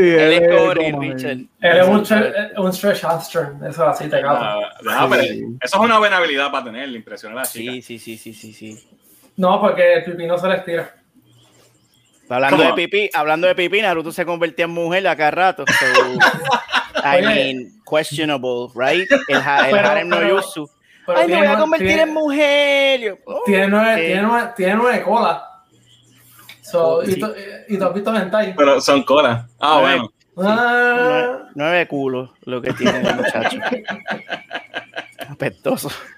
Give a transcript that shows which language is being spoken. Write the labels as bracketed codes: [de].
[es] él es como Reed Richards. Él es un Stretch Armstrong. Eso así te cago. Eso es una buena habilidad para tener, impresionar a la chica. Sí. No, porque el pipí no se le estira. Hablando de pipí, Naruto se convertía en mujer a cada rato. [en] So, I mean, questionable, right? El harem no yusu. [es] Ay, me voy a convertir en mujer. Tiene nueve colas. Y tú has visto hentai. Pero son colas. Ah, bueno. Sí. Nueve culos lo que tiene el muchacho. Apestoso.